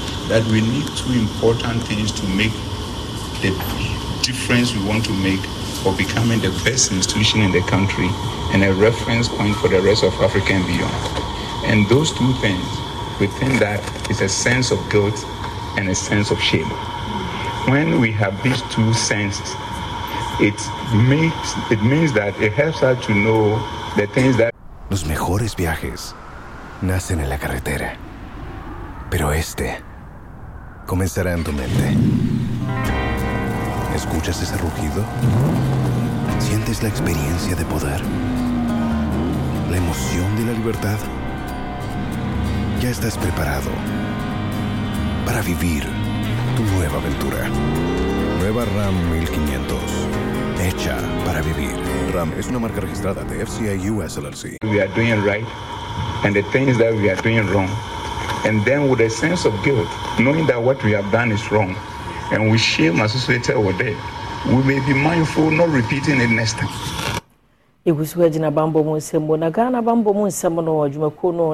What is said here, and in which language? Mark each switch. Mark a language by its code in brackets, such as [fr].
[en] that we need two important things to make the difference we want to make for becoming the best institution in the country and a reference point for the rest of Africa and beyond. And those two things, within that, is a sense of guilt and a sense of shame. When we have these two senses, it means that it helps us to know the things that... [es] Los mejores viajes nacen en la carretera, pero este comenzará en tu mente. ¿Escuchas ese rugido? ¿Sientes la experiencia de poder? ¿La emoción de la libertad? Ya estás preparado para vivir tu nueva aventura. Nueva Ram 1500. Hecha para vivir. Ram es una marca registrada de FCA US LLC. [en] We are doing right, and the things that we are doing wrong. And then with a sense of guilt, knowing that what we have done is wrong, and with shame associated with it, we may be mindful not repeating it next time. Igusuwe jina bambo mwusembo. Na gana bambo mwusembo na wajumekuno.